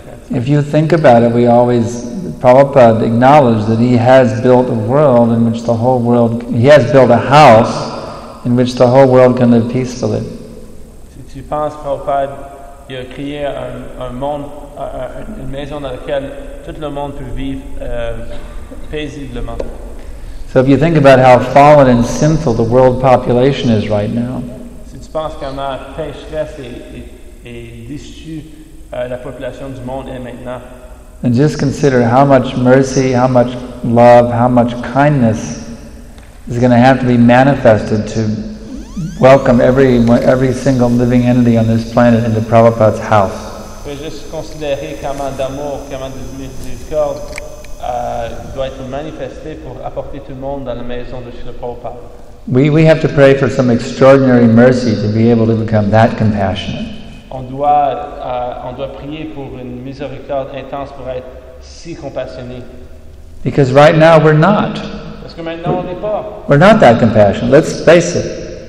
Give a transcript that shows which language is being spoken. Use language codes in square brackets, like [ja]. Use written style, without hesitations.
[en] If you think about it, Prabhupada acknowledged that he has built a world in which the whole world, he has built a house in which the whole world can live peacefully. [fr] Tu penses, Prabhupada, il a créé un monde, une maison dans laquelle tout le monde peut vivre paisiblement. [en] So if you think about how fallen and sinful the world population is right now, [fr] si tu penses comment pécheresse et déchue la population du monde est maintenant, [en] and just consider how much mercy, how much love, how much kindness is going to have to be manifested to welcome every single living entity on this planet into Prabhupada's house. Just consider [fr] comment d'amour, comment de miséricorde doit être manifesté pour apporter tout le monde dans la maison de Srila Prabhupada. [en] We have to pray for some extraordinary mercy to be able to become that compassionate. [fr] On doit prier pour une miséricorde intense pour être si compassionné. [en] Because right now we're not. [fr] Parce que maintenant on n'est pas. [en] We're not that compassionate. Let's face it.